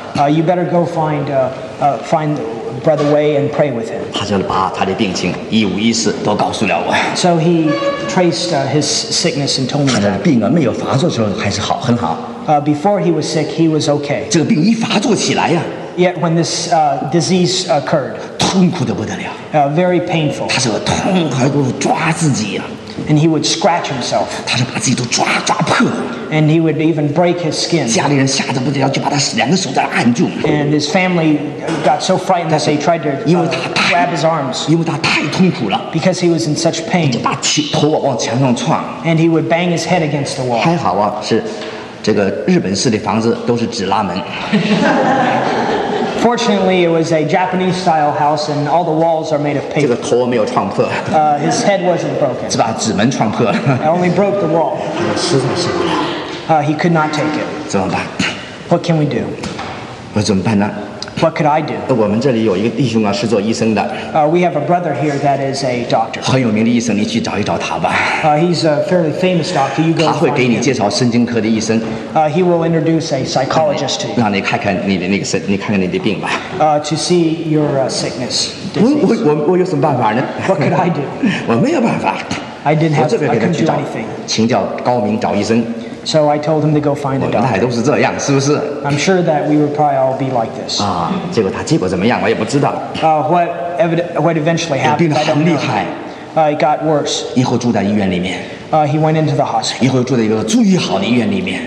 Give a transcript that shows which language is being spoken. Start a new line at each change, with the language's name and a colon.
English: You better go find find Brother Wei and pray with him.
Chinese: 他就把他的病情一五一十都告诉了我。
English: So he traced his sickness and told me.
Chinese: 他的病啊，没有发作的时候还是好，很好。
English: Before he was sick, he was okay.
Chinese: 这个病一发作起来呀。
English: Yet when this disease occurred,
Chinese: 痛苦得不得了。
English: Very painful.
Chinese: 他是痛还不如抓自己呀。
English: And he would scratch himself.
Chinese: 他是把自己都抓破。
English: And he would even break his skin.
Chinese: 家里人吓得不得了，就把他两个手在按住。
English: And his family got so frightened that they tried to grab his arms.
Chinese: 因为他太痛苦了。
English: Because he was in such pain.
Chinese: 就把头往墙上撞。
English: And he would bang his head against the wall.
Chinese: 还好啊，是。这个日本式的房子都是纸拉门。
English: Fortunately, it was a Japanese-style house, and all the walls are made of paper.
Chinese: 这个头没有撞破。
English: His head wasn't broken.
Chinese: 只把纸门撞破了。
English: I only broke the wall.
Chinese: 实在受不了。
English: He could not take it.
Chinese: 怎么办？
English: What can we do?
Chinese: 我怎么办呢？
English: What could I do?
Chinese: 我们这里有一个弟兄啊，是做医生的。
English: We have a brother here that is a doctor.
Chinese: 很有名的医生，你去找一找他吧。
English: He's a fairly famous doctor. You go.
Chinese: 他会给你介绍神经科的医生。
English: He will introduce a psychologist to you.
Chinese: 让你看看你的那个身，你看看你的病吧。
English: To see your sickness.
Chinese: 我有什么办法呢？
English: What could I do?
Chinese: 我没有办法。
English: I didn't have. I couldn't do anything.
Chinese: 请教高明找医生。
English: So I told him to go find a doctor. I'm sure that we would probably all be like this.
Chinese: 结果怎么样我也不知道。
English: What eventually happened?
Chinese: 病得很厉害。
English: It got worse.
Chinese: 以后住在医院里面。
English: He went into the hospital.
Chinese: 以后住在一个最好的医院里面。